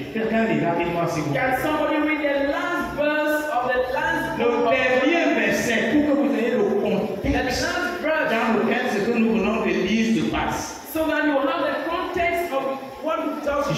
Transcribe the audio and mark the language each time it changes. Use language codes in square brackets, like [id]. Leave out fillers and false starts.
[en] Can somebody read the last verse of the last book? [fr] Le dernier verset, pour que vous ayez le contexte. [en] The last verse. [fr] Dans lequel ce que nous venons de lire se passe. [en] So that you have the context of what we just